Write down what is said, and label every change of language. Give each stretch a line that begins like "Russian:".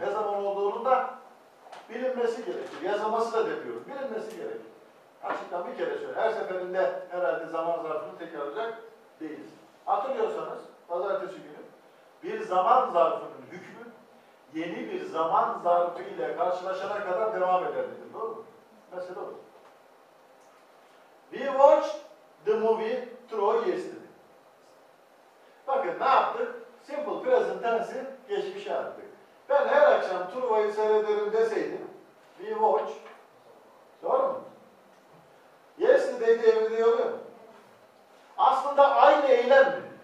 Turkish: Ne zaman olduğunu da bilinmesi gerekir. Yazılması da demiyorum. Bilinmesi gerekir. Açıktan bir kere söyle. Her seferinde herhalde zaman zarfını tekrarlayacak değiliz. Hatırlıyorsanız pazartesi günü bir zaman zarfının hükmü yeni bir zaman zarfı ile karşılaşana kadar devam eder dedim. Doğru mu? Mesela bu.
English: We watched the movie through yesterday.
Turkish: Bakın ne yaptık? Simple present tense'i geçmişe attık. Ben her akşam Truva'yı seyrederim deseydim.
English: We watch.
Turkish: Doğru mu? Yesterday diyebiliyor muyum? Aslında aynı eylem mi?